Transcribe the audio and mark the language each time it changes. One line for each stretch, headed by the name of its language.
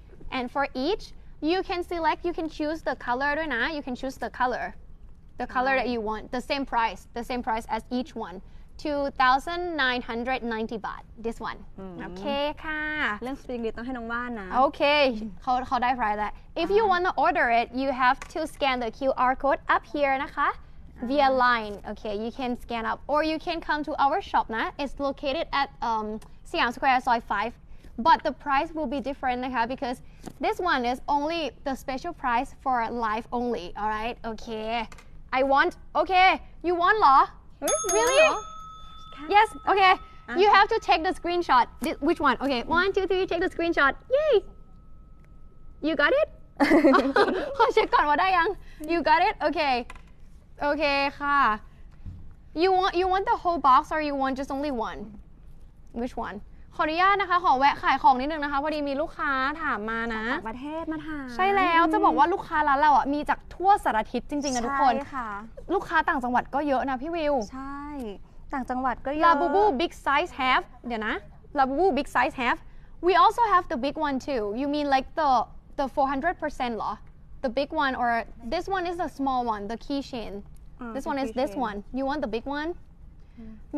English: And for each, you can select, you can choose the color, you can choose the color that you want, the same price as each one.
Thai: 2,990 บาท
English: This one
Thai: โอเคค่ะ เรื่องสปริงดิต้องให้น้องว่านนะ โอเคเขาได้ไพรซ์แล้ว
English: If you want to order it you have to scan the QR code up here
Thai: นะคะ
English: via line okay you can scan up or you can come to our shop นะ it's located at Siam Square Soi 5 but the price will be different นะคะ because this one is only the special price for live only all right okay I want okay you want
Thai: หรอ
English: Really? Yes. Okay. You have to take the screenshot. Which one? Okay. 1, 2, 3. Take the screenshot. Yay. You got it. Oh, check
Thai: ก่อนว่าได้ยัง
English: You got it. Okay. Okay.
Thai: ค่ะ
English: You want the whole box or you want just only one? Which one?
Thai: ขออนุญาตนะคะขอแวะขายของนิดนึงนะคะพอดีมีลูกค้าถามมานะ จากประเทศมาถ ามใช่แล้วจะบอกว่าลูกค้าร้านเราอ่ะมีจากทั่วสารทิศจริงๆอ่ะทุกคน ใช่ค่ะ ลูกค้าต่างจังหวัดก็เยอะนะพี่วิว ใช่ต่างจังหวัดก็เยอะ
English: ลาบูบู Big Size Have
Thai: เดี๋ยวนะลาบูบู
English: Big Size Have We also have the big one too You mean like the 400%
Thai: หรอ
English: The big one or this one is the small one the keychain This one is this one You want the big onem